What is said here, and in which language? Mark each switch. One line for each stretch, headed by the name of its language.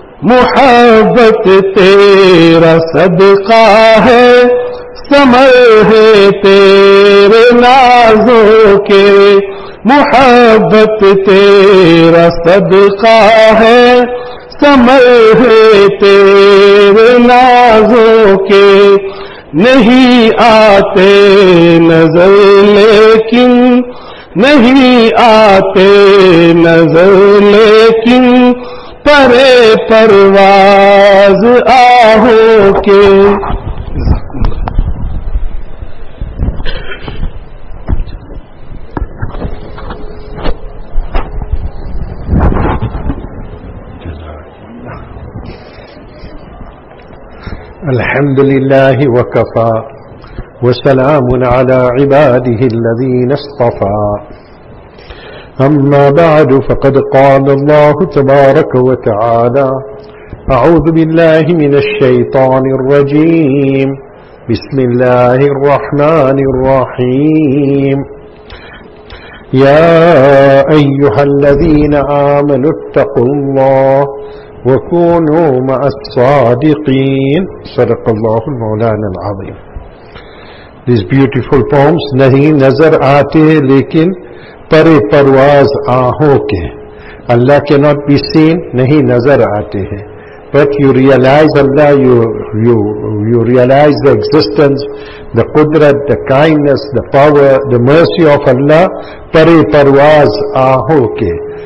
Urdu: محبت تیرا صدقہ ہے سمر ہے تیرے نازوں کے, محبت تیرا صدقہ ہے سمر ہے تیرے نازوں کے. نہیں آتے نظر لیکن, نہیں آتے نظر لیکن پرے پرواز آہو کے.
Arabic: الحمد لله وكفى وسلام على عباده الذين اصطفى, أما بعد فقد قال الله تبارك وتعالى, أعوذ بالله من الشيطان الرجيم, بسم الله الرحمن الرحيم, يا أيها الذين آمنوا اتقوا الله وَكُونُوا مَعَ الصَّادِقِينَ. صدق اللہ المولان العظیم.
English: this beautiful poems,
Urdu: نہیں نظر آتے لیکن پرے پرواز آہوں کے,
English: اللہ کے not be seen,
Urdu: نہیں نظر آتے ہیں,
English: but you realize اللہ, you realize the existence, the قدرت, the kindness, the power, the mercy of اللہ
Urdu: پرے پرواز آہوں کے.